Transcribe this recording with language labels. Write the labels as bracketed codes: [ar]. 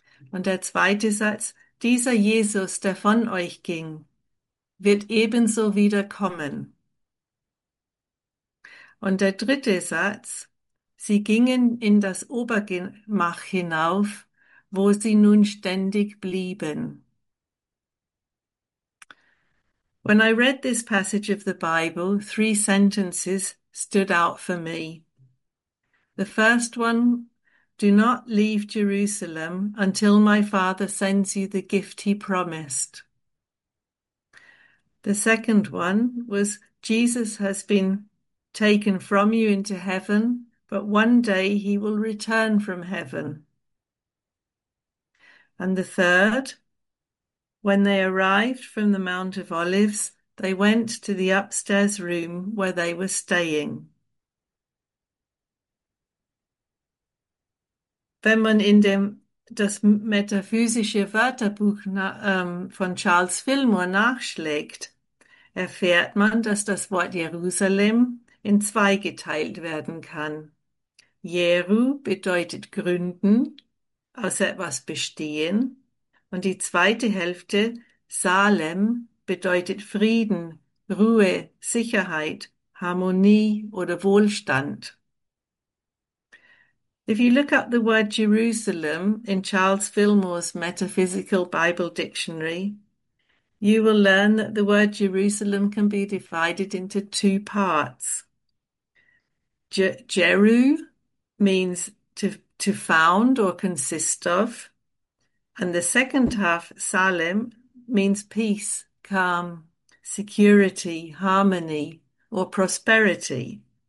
[de] Und der zweite Satz: Dieser Jesus, der von euch ging, wird ebenso wiederkommen. Und der dritte Satz: Sie gingen in das Obergemach hinauf, wo sie nun ständig blieben. [en] When I read this passage of the Bible, three sentences stood out for me. The first one: Do not leave Jerusalem until my father sends you the gift he promised. The second one was: Jesus has been taken from you into heaven, but one day he will return from heaven. And the third: When they arrived from the Mount of Olives, they went to the upstairs room where they were staying. [de] Wenn man in dem das metaphysische Wörterbuch von Charles Fillmore nachschlägt, erfährt man, dass das Wort Jerusalem in zwei geteilt werden kann. Jeru bedeutet gründen, aus etwas bestehen, und die zweite Hälfte, Salem, bedeutet Frieden, Ruhe, Sicherheit, Harmonie oder Wohlstand. [en] If you look up the word Jerusalem in Charles Fillmore's Metaphysical Bible Dictionary, you will learn that the word Jerusalem can be divided into two parts. Jeru means to found or consist of, and the second half, Salem, means peace, calm, security, harmony, or prosperity.